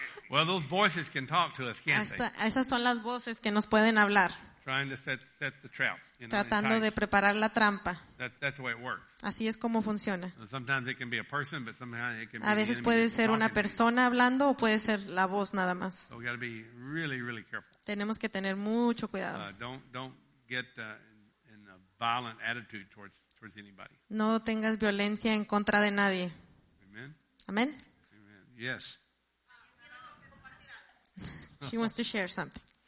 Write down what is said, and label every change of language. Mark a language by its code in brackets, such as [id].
[en] Well, those voices can talk to us, can't they? [es] Esas son las voces que nos pueden hablar. [en] Trying to set the trap, you know, [es] tratando de preparar la trampa. [en] That's the way it works. [es] Así es como funciona. [en] Sometimes it can be a person, but sometimes it can [es] a veces puede ser una persona hablando o puede ser la voz nada más. [en] So we gotta be really, really careful. [es] Tenemos que tener mucho cuidado. [en] Don't get in a violent attitude towards anybody. [es] No tengas violencia en contra de nadie. Amen. Amen. [en] Yes. She wants to share something.